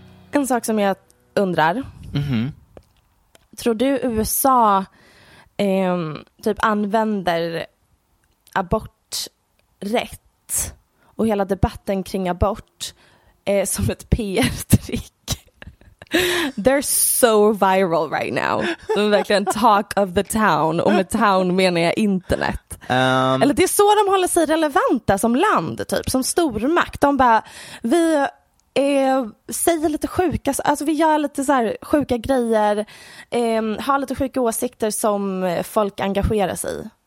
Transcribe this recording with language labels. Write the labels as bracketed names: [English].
[Swedish] En sak som jag undrar. Mm-hmm. Tror du USA typ använder abort rätt? Och hela debatten kring abort är som ett PR-trick. [English] They're so viral right now. [Swedish] De är verkligen [English] talk of the town. [Swedish] Och med town menar jag internet. Eller det är så de håller sig relevanta som land, typ. Som stormakt. De bara, vi säger lite sjuka. Alltså vi gör lite så här sjuka grejer. Har lite sjuka åsikter som folk engagerar sig i.